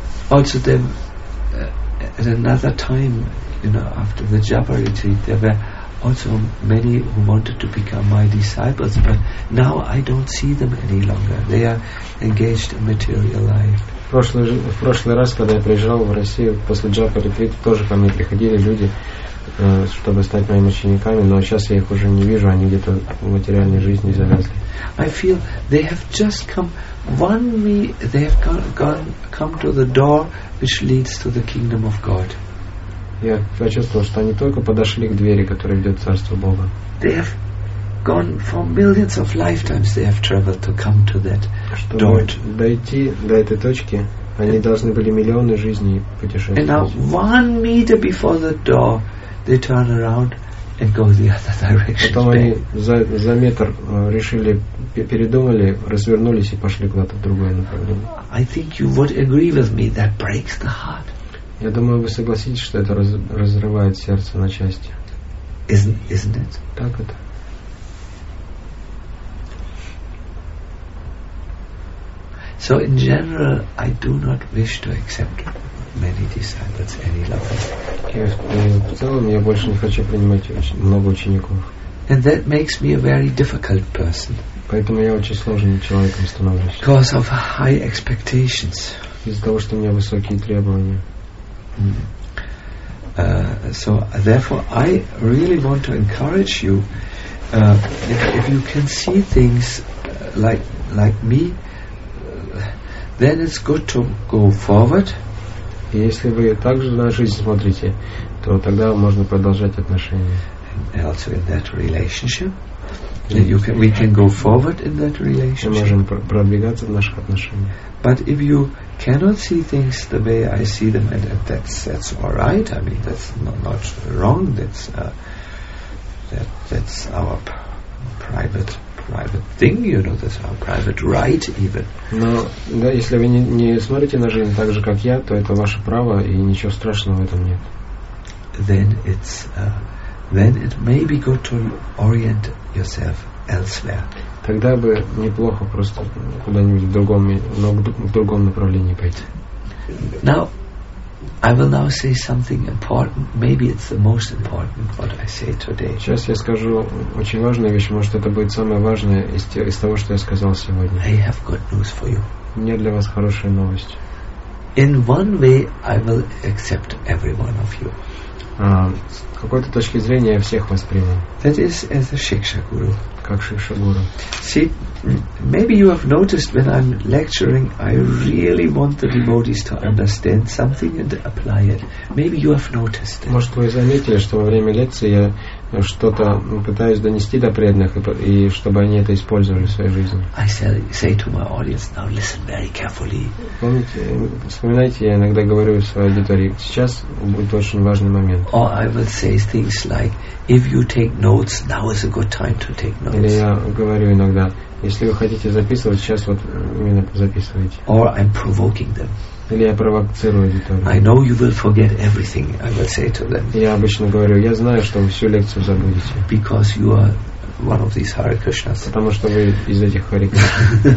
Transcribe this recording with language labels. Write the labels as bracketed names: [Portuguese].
[English] Also, then, at another time, you know, after the Japa retreat, there were also many who wanted to become my disciples, but now I don't see them any longer. They are engaged in material life. [Russian] В прошлый раз, когда я приезжал в Россию после Джапа ретрита, тоже ко мне приходили люди, чтобы стать моими учениками, но сейчас я их уже не вижу, они где-то в материальной жизни завязли. [English] I feel they have just come they have come to the door which leads to the kingdom of God. [Russian] Я почувствовал, что они только подошли к двери, которая ведет в Царство Бога. [English] They have gone for millions of lifetimes they have traveled to come to that door. [Russian] Чтобы дойти до этой точки, они должны были миллионы жизней путешествовать. [English] And now 1 meter before the door they turn around and go the other direction. [Russian] Потом они за метр решили, передумали, развернулись и пошли куда-то в другое направление. [English] I think you would agree with me that breaks the heart. [Russian] Я думаю, вы согласитесь, что это разрывает сердце на части. [English] Isn't it? [Russian] Так это. [English] So in general, I do not wish to accept many disciples any longer. [Russian] В целом, я больше не хочу принимать много учеников. [English] And that makes me a very difficult person. [Russian] Поэтому я очень сложным человеком становлюсь. [English] Because of high expectations. [Russian] Из-за того, что у меня высокие требования. [English] So therefore, I really want to encourage you. If you can see things like me, then it's good to go forward. [Russian] Если вы также на жизнь смотрите, то тогда можно продолжать отношения. [English] And also in that relationship, we can go forward in that relationship. [Russian] Мы можем продвигаться в наших отношениях. [English] But if you cannot see things the way I see them, and that's all right. I mean, that's not wrong. That's our private thing, you know. That's our private right, even. [Russian] Но да, если вы не смотрите на жизнь так же, как я, то это ваше право, и ничего страшного в этом нет. [English] Then it may be good to orient yourself elsewhere. [Russian] Тогда бы неплохо просто куда-нибудь в другом направлении пойти. [English] Now, I will now say something important. Maybe it's the most important what I say today. [Russian] Сейчас я скажу очень важную вещь. Может, это будет самое важное из того, что я сказал сегодня. [English] I have good news for you. [Russian] У меня для вас хорошая новость. [English] In one way, I will accept every one of you. [Russian] С какой-то точки зрения я всех воспринял. [English] That is as a Shikshaguru. [Russian] Как Шикшагуру. [English] See, maybe you have noticed when I'm lecturing, I really want the devotees to understand something and apply it. Maybe you have noticed that. [Russian] Может, вы заметили, что во время лекции я что-то пытаюсь донести до преданных, и чтобы они это использовали в своей жизни. [English] I say to my audience, now listen very carefully. [Russian] Вспоминайте, я иногда говорю своей аудитории, сейчас будет очень важный момент. [English] Or I will say things like, if you take notes, now is a good time to take notes. [Russian] Или я говорю иногда, если вы хотите записывать, сейчас вот именно записывайте. [English] Or I'm provoking them. [Russian] Или я провоцирую аудиторию. [English] I know you will forget everything, I will say to them. [Russian] Я обычно говорю, я знаю, что вы всю лекцию забудете. [English] Because you are one of these Hare Krishnas. [Russian] Потому что вы из этих Hare Krishnas.